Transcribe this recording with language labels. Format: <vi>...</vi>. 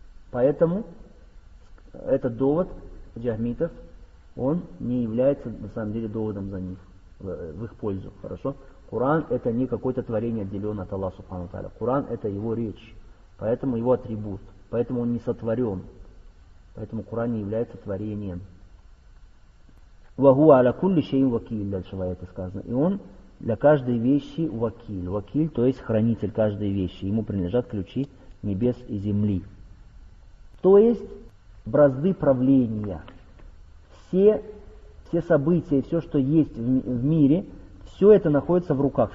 <ru>Поэтому этот довод джахмитов, он не является на самом деле доводом за них, в их пользу. Хорошо? Коран это не какое-то творение, отделенное от Аллаха Субхану ва Тааля. Коран это его речь. Поэтому его атрибут. Поэтому он не сотворен. Поэтому Коран не является творением.</ru> <ar>وَهُوَ عَلَى كُلِّ شَيْءٍ وَكِيلٌ</ar> <ru>Дальше в аяте сказано. И он для каждой вещи вакиль. Вакиль, то есть хранитель каждой вещи. Ему принадлежат ключи небес и земли. То есть бразды правления. Все события, все, что есть в мире, все это находится в руках.</ru>